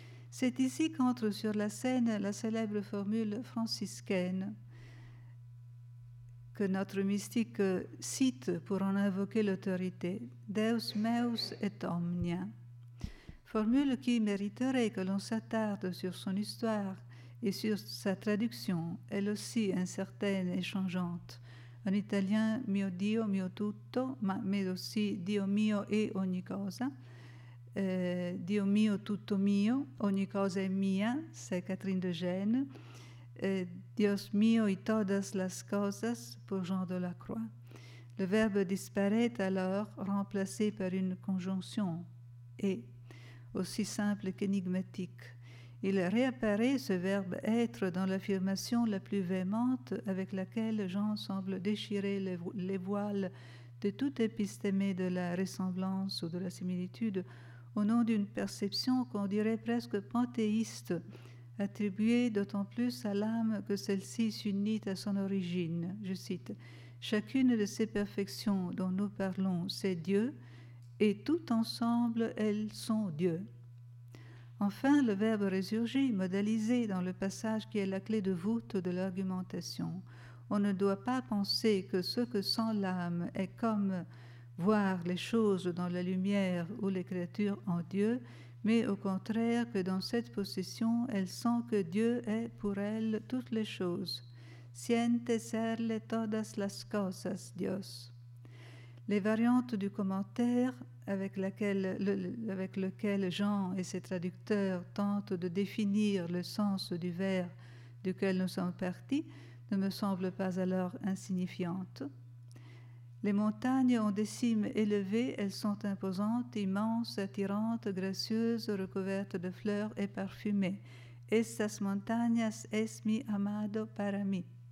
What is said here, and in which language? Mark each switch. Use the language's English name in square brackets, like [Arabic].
[French] C'est ici qu'entre sur la scène la célèbre formule franciscaine que notre mystique cite pour en invoquer l'autorité « [Latin] Deus meus et omnia ». [French] Formule qui mériterait que l'on s'attarde sur son histoire et sur sa traduction, elle aussi incertaine et changeante. En italien [Italian] « mio Dio, mio tutto », [French] mais aussi [Italian] « Dio mio e ogni cosa ». Dio mio, tutto mio, ogni cosa è mia, [French] c'est Catherine de Gênes. [Spanish] Dios mio, y todas las cosas, [French] pour Jean de la Croix. Le verbe disparaît alors, remplacé par une conjonction, et, aussi simple qu'énigmatique. Il réapparaît, ce verbe être, dans l'affirmation la plus véhémente avec laquelle Jean semble déchirer les voiles de tout épistémé de la ressemblance ou de la similitude, au nom d'une perception qu'on dirait presque panthéiste, attribuée d'autant plus à l'âme que celle-ci s'unit à son origine. Je cite, « Chacune de ces perfections dont nous parlons, c'est Dieu, et tout ensemble, elles sont Dieu. » Enfin, le verbe résurgit, modalisé dans le passage qui est la clé de voûte de l'argumentation. On ne doit pas penser que ce que sent l'âme est comme voir les choses dans la lumière ou les créatures en Dieu, mais au contraire que dans cette position, elle sent que Dieu est pour elle toutes les choses. [Spanish] Siente serle todas las cosas, Dios. [French] Les variantes du commentaire avec lequel Jean et ses traducteurs tentent de définir le sens du vers duquel nous sommes partis ne me semblent pas alors insignifiantes. Les montagnes ont des cimes élevées, elles sont imposantes, immenses, attirantes, gracieuses, recouvertes de fleurs et parfumées. [Spanish] Estas montañas es mi amado para mí.